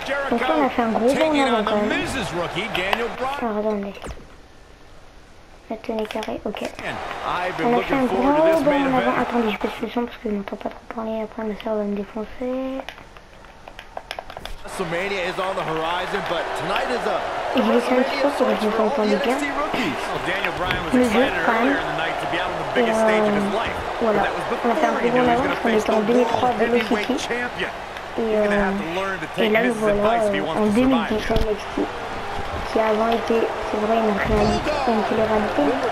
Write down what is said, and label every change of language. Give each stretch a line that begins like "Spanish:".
French: Donc là, on a fait un gros bon avant quand même. Maintenez carré, ok. On a fait un gros bon avant. Attendez, je baisse le son parce que je n'entends pas trop parler. Après, ma soeur va me défoncer.
English: WrestleMania is on the horizon, but tonight is a WrestleMania for all the NXT rookies. Daniel Bryan was excited earlier in the night to be out on the biggest stage of his life.
French: Voilà. On a fait un peu bon avant parce qu'on était en 2003 à Velocity. Et là, nous voilà en 2010 à NXT, qui avant était, c'est vrai, une réalité, une télé-réalité.